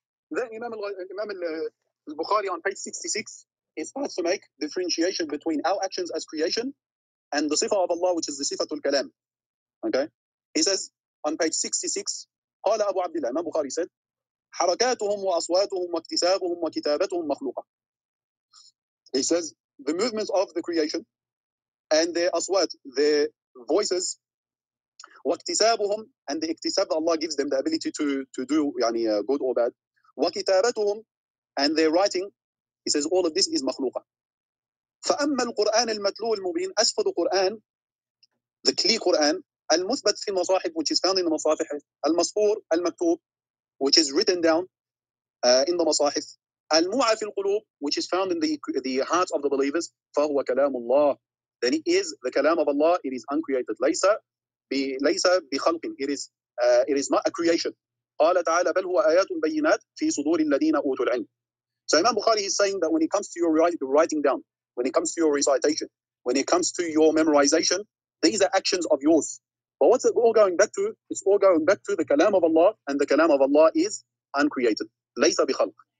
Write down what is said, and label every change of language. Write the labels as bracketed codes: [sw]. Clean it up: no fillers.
[en] Then Imam al-Bukhari on page 66 is supposed to make differentiation between our actions as creation and the sifa of Allah, which is the sifatul kalam. Okay, he says on page 66, [ar] قال أبو عبد الله, [en] Imam Bukhari said, [ar] حركاتهم وأصواتهم واكتسابهم وكتابتهم مخلوقة. [en] He says the movements of the creation and their aswat, their voices, واكتسابهم, and the اكتساب that Allah gives them, the ability to do يعني good or bad, وكتابتهم, and their writing, he says all of this is مخلوقة. [ar] فأما القرآن المتلو المبين, [en] as for the Quran, the clear Quran, [ar] المثبت في المصاحف, [en] which is found in the مصاحف, [ar] المصفور المكتوب, [en] which is written down in the مصاحف, [ar] الموعى في القلوب, [en] which is found in the hearts of the believers, [ar] فهو كلام الله, [en] then it is the كلام of Allah, it is uncreated, [ar] ليس بخلق, [en] it is not a creation. [ar] قال تعالى بل هو آيات بينات في صدور الذين أوتوا العلم. [en] So Imam Bukhari is saying that when it comes to your writing down, when it comes to your recitation, when it comes to your memorization, these are actions of yours. But what's it all going back to? It's all going back to the kalam of Allah, and the kalam of Allah is uncreated. [ar] Laysa bikhalq.